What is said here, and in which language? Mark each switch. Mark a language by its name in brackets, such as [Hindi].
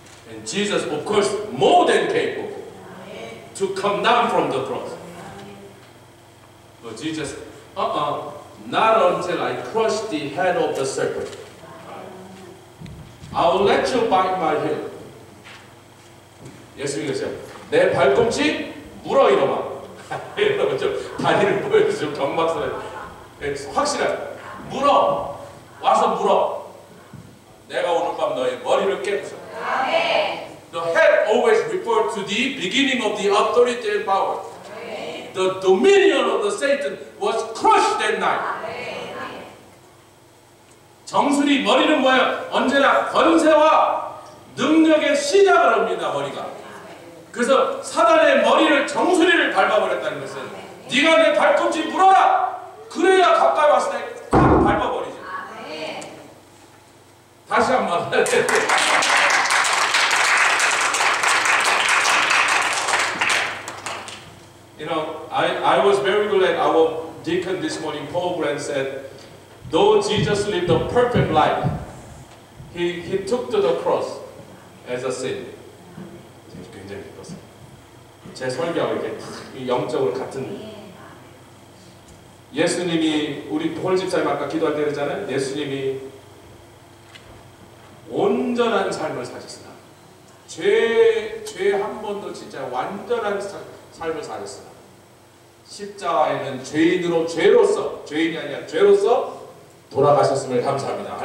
[English] And Jesus, of course, more than capable to come down from the cross. But Jesus, not until I crush the head of the serpent. I'll let you bite my heel. [Korean] 예수님께서 내 발꿈치 물어 이놈아. 여러분 좀 다리를 보여주세요. 경박사님. 확실하게 물어 와서 물어 내가 오늘 밤 너의 머리를 깨부숴. 아멘. [English] The head always refers to the beginning of the authority and power. [Korean] 아멘. [English] The dominion of the Satan was crushed that night. [Korean] 아멘. 정수리 머리는 뭐야? 언제나 권세와 능력의 시작을 합니다 머리가. 그래서 사단의 머리를 정수리를 밟아버렸다는 것은 네가 내 발꿈치 물어라. 그래야 가까이 왔을 때 확 밟아버리죠. 아, 네. 다시 한 번. [English] You know, I was very glad our deacon this morning, Paul Grant, said, though Jesus lived a perfect life, he took to the cross as a sin. [Korean] 굉장히 기뻤어요. 제 설교하고 이렇게 영적으로 같은 예수님이 우리 폴 집사님 아까 기도할 때 그랬잖아요. 예수님이 온전한 삶을 사셨으나 죄 한 번도 진짜 완전한 삶을 사셨으나 십자가에는 죄인으로 죄로서 죄인이 아니라 죄로서 돌아가셨음을 감사합니다.